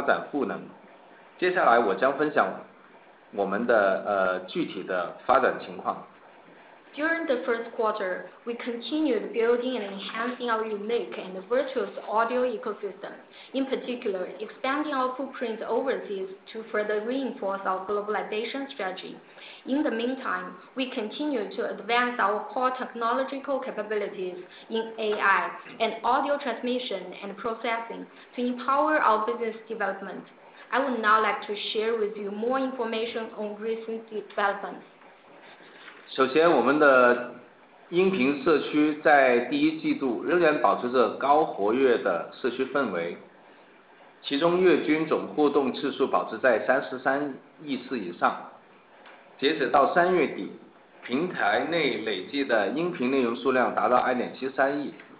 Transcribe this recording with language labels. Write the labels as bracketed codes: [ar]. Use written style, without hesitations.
[zh] 进一步强化了我们的全球化战略，同时，我们也通过不断提升我们在AI和音频传输及音频处理上面的核心技术能力，持续为业务的发展赋能。接下来，我将分享我们的具体的发展情况。 [en] During the first quarter, we continued building and enhancing our unique and virtuous audio ecosystem, in particular, expanding our footprint overseas to further reinforce our globalization strategy. In the meantime, we continue to advance our core technological capabilities in AI and audio transmission and processing to empower our business development. I would now like to share with you more information on recent developments. [zh] 首先，我们的音频社区在第一季度仍然保持着高活跃的社区氛围，其中月均总互动次数保持在33亿次以上。截止到3月底，平台内累计的音频内容数量达到2.73亿。